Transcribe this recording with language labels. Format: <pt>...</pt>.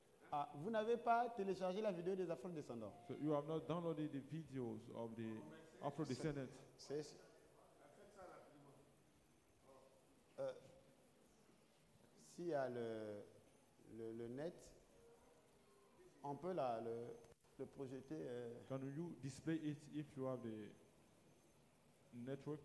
<fr>Ah, vous n'avez pas téléchargé la vidéo des Afro-descendants.</fr> <en>So you have not downloaded the videos of the Afro-descendants.</en> <fr>C'est si y a le net, on peut là le projeter.</fr> <en>Can you display it if you have the network?</en>